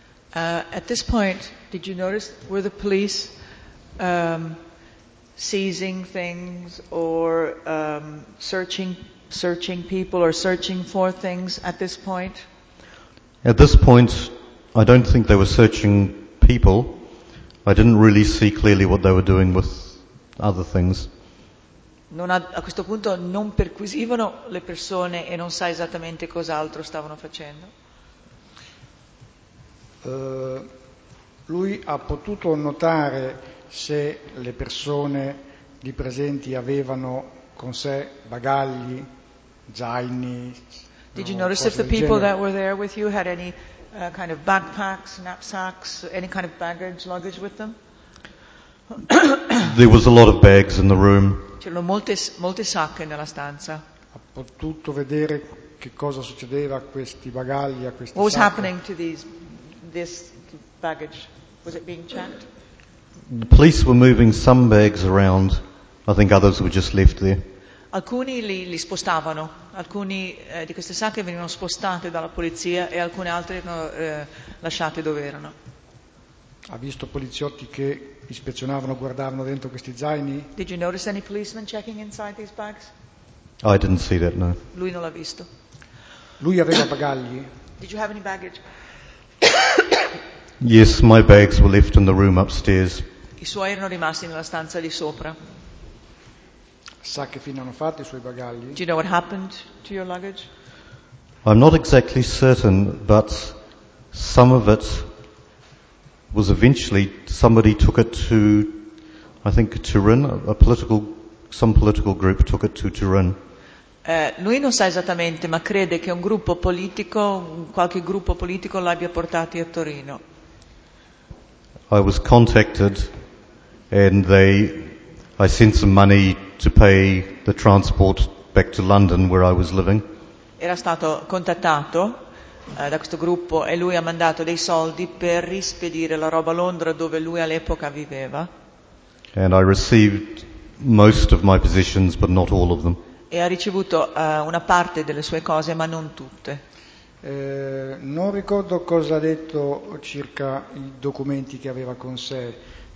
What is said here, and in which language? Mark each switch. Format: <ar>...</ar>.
<en>At this point, did you notice, were the police seizing things or searching people or searching for things at this point? At this point, I don't think they were searching people. I didn't really see clearly what they were doing with other things.</en> <it>A questo punto non perquisivano le persone e non sa esattamente cos'altro stavano facendo. Lui ha potuto notare se le persone lì presenti avevano con sé bagagli, zaini.</it> <en>Did you notice if the people that were there with you had any kind of backpacks, knapsacks, any kind of baggage, luggage with them? There was a lot of bags in the room.</en> <it>C'erano molte sacche nella stanza. Ha potuto vedere che cosa succedeva a questi bagagli, a queste sacche.</it> <en>What was happening to this baggage? Was it being checked? The police were moving some bags around. I think others were just left there.</en> <it>Alcuni li spostavano, alcuni di queste sacche venivano spostate dalla polizia e alcune altre erano lasciate dove erano. Ha visto poliziotti che ispezionavano, guardavano dentro questi zaini?</it> <en>Did you notice any policemen checking inside these bags? I didn't see that, no.</en> <it>Lui non l'ha visto. Lui aveva bagagli?</it> <en>Did you have any baggage? Yes, my bags were left in the room upstairs.</en> <it>I suoi erano rimasti nella stanza di sopra. Sa che fine hanno fatto i suoi bagagli?</it> <en>Do you know what happened to your luggage? I'm not exactly certain, but some of it was eventually, somebody took it to, I think, Turin, some political group took it to Turin.</en> <it>Lui non sa esattamente, ma crede che un gruppo politico, qualche gruppo politico l'abbia portati a Torino.</it> <en>I was contacted and I sent some money to pay the transport back to London where I was living.</en> <it>Era stato contattato da questo gruppo e lui ha mandato dei soldi per rispedire la roba a Londra dove lui all'epoca viveva.</it> <en>And I received most of my possessions but not all of them.</en> <it>E ha ricevuto una parte delle sue cose ma non tutte. Non ricordo cosa ha detto circa i documenti che aveva con sé.</it>